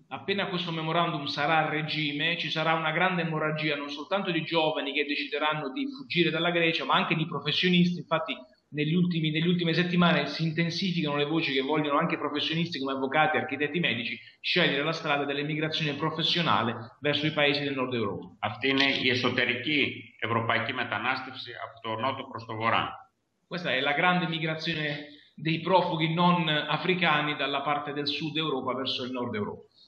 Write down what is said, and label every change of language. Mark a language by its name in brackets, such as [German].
[Italian] Appena questo memorandum sarà a regime, ci sarà una grande emorragia non soltanto di giovani che decideranno di fuggire dalla Grecia, ma anche di professionisti. Infatti, negli ultime settimane si intensificano le voci che vogliono anche professionisti come avvocati, architetti, medici scegliere la strada dell'emigrazione professionale verso i paesi del nord Europa. [Greek] Αυτή είναι η εσωτερική ευρωπαϊκή μετανάστευση από το νότο προς το Βορρά. [Italian] Questa è la grande migrazione dei profughi non africani dalla parte del sud Europa verso il nord Europa.